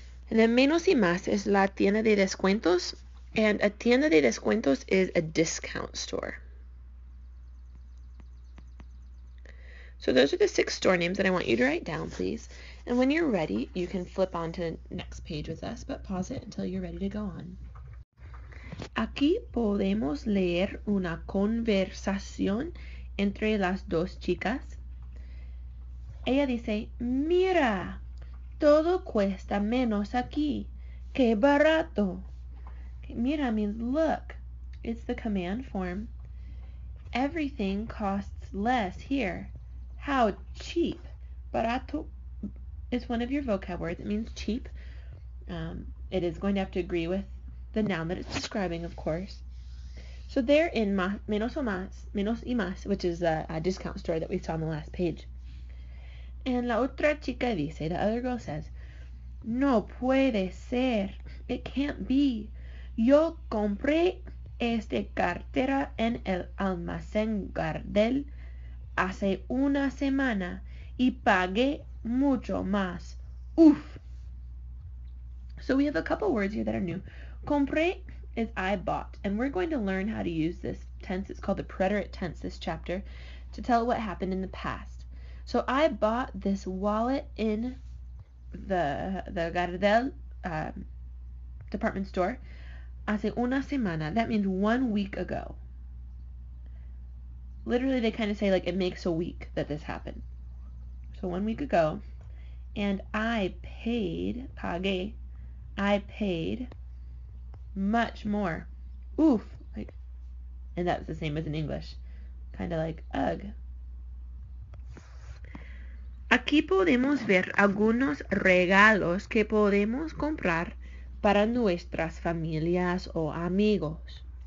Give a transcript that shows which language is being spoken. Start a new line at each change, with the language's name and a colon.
English: And then menos y más is la tienda de descuentos. And a tienda de descuentos is a discount store. So those are the six store names that I want you to write down, please. And when you're ready, you can flip on to the next page with us, but pause it until you're ready to go on.
Spanish: Aquí podemos leer una conversación entre las dos chicas. Ella dice, mira, todo cuesta menos aquí. ¡Qué barato! Mira
English: means look. It's the command form. Everything costs less here. How cheap. Barato is one of your vocab words. It means cheap. It is going to have to agree with the noun that it's describing, of course. So they're in menos y más, which is a discount store that we saw on the last page.
Spanish: And la otra chica dice,
English: the other girl says,
Spanish: no puede ser.
English: It can't be.
Spanish: Yo compré esta cartera en el almacén Gardel hace una semana y pagué mucho más. Uf.
English: So we have a couple words here that are new. Compré is I bought. And we're going to learn how to use this tense. It's called the preterite tense this chapter to tell what happened in the past. So I bought this wallet in the Gardel department store
Spanish: hace una semana.
English: That means 1 week ago. Literally, they kind of say, like, it makes a week that this happened. So 1 week ago, and I paid much more. Oof. Like, and that's the same as in English. Kind of like, ugh.
Spanish: Aquí podemos ver algunos regalos que podemos comprar para nuestras familias o amigos.